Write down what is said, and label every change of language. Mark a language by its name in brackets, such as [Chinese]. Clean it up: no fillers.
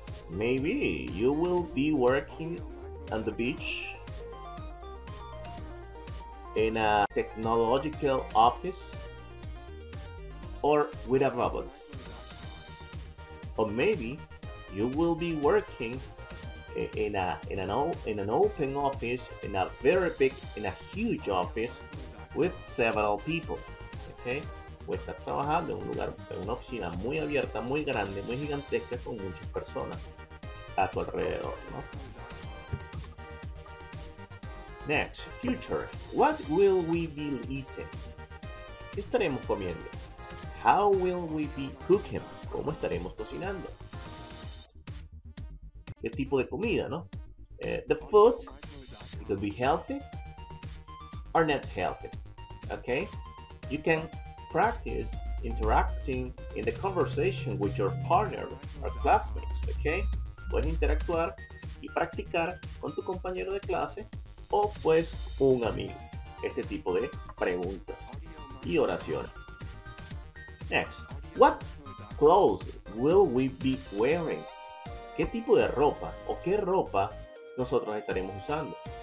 [English] Maybe you will be working on the beach in a technological office or with a robot. Or maybe you will be working in an open office in a huge office with several people. Okay? [Spanish] O estás trabajando en un lugar, en una oficina muy abierta, muy grande, muy gigantesca con muchas personas a tu alrededor, ¿no? [English] Next, future. What will we be eating? [Spanish] ¿Qué estaremos comiendo? [English] How will we be cooking? [Spanish] ¿Cómo estaremos cocinando? ¿Qué tipo de comida, no? [English] The food, it could be healthy or not healthy. Okay? You can practice interacting in the conversation with your partner or classmates, okay? [Spanish] Puedes interactuar y practicar con tu compañero de clase o pues un amigo. Este tipo de preguntas y oraciones. [English] Next, what clothes will we be wearing? [Spanish] ¿Qué tipo de ropa o qué ropa nosotros estaremos usando?